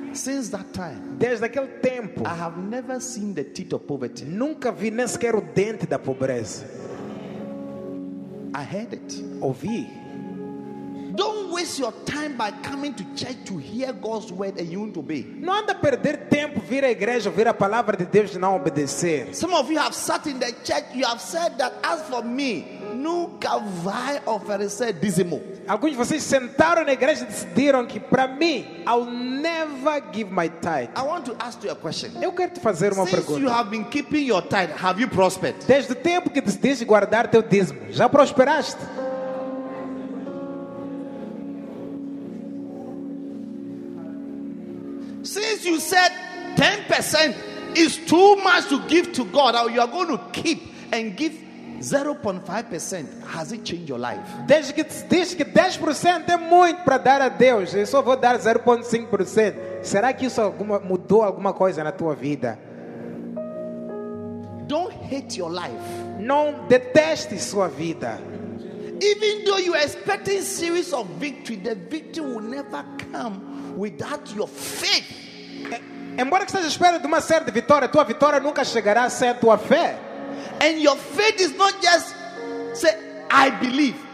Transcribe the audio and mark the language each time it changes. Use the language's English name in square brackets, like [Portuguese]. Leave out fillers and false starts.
[English] Since that time. [Portuguese] Desde aquele tempo. [English] I have never seen the teeth of poverty. [Portuguese] Nunca vi nem sequer o dente da pobreza. [English] I heard it. [Portuguese] Ouvi. [English] Don't waste your time by coming to church to hear God's word and you won't obey. [Portuguese] Não anda a perder tempo vir à igreja ouvir a palavra de Deus e não obedecer. [English] Some of you have sat in the church, you have said that as for me, [Portuguese] nunca vai oferecer dízimo. Alguns de vocês sentaram na igreja e decidiram que para mim, [English] I'll never give my tithe. I want to ask you a question. [Portuguese] Eu quero te fazer uma [English] Since [Portuguese] pergunta. [English] Since you have been keeping your tithe, have you prospered? [Portuguese] Desde o tempo que decidiste guardar teu dízimo, já prosperaste? [English] Since you said 10% is too much to give to God, or you are going to keep and give 0.5%, has it changed your life? [Portuguese] Desde que diz que 10% é muito para dar a Deus, eu só vou dar 0.5%. Será que isso mudou alguma coisa na tua vida? [English] Don't hate your life. [Portuguese] Não deteste sua vida. [English] Even though you are expecting series of victory, the victory will never come without your faith. [Portuguese] Embora que esteja esperando uma série de vitórias, tua vitória nunca chegará sem tua fé. [English] And your faith is not just say I believe.